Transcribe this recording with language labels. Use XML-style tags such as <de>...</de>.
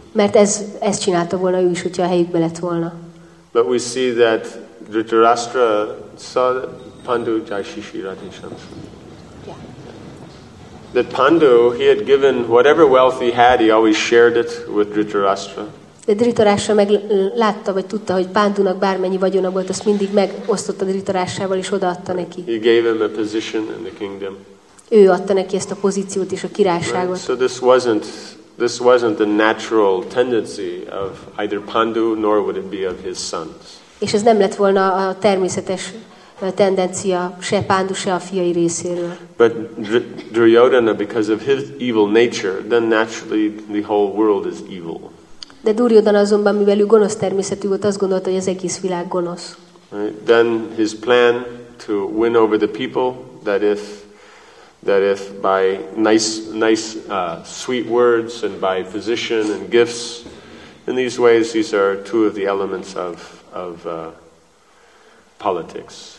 <hu>Mert ez csinálta volna ő is, hogyha a helyükbe lett volna.</hu> <en>But we see that Dhritarashtra saw that Pandu Jaishishi Radhisham. That Pandu, he had given whatever wealth he had, he always shared it with Dhritarashtra.</en> <hu>De Dhritarashtra meg látta, vagy tudta, hogy Pándunak bármennyi vagyona volt, azt mindig megosztotta Dhritarashtrával, és odaadta neki.</hu> <en>He gave him a position in the kingdom.</en> <hu>Ő adta neki ezt a pozíciót és a királyságot.</hu> <en>Right. So this wasn't the natural tendency of either Pandu, nor would it be of his sons.</en> <hu>És ez nem lett volna a természetes tendencia se Pándu, se a fiai részéről.</hu> <en>But Duryodhana, because of his evil nature, then naturally the whole world is evil.</en> <hu>De Duryodhana azonban, mivel ő gonosz természetű volt, azt gondolta, hogy az egész világ gonosz.</hu> <en>Right. Then his plan to win over the people, that if by nice sweet words and by position and gifts, in these ways, these are two of the elements of politics.</en>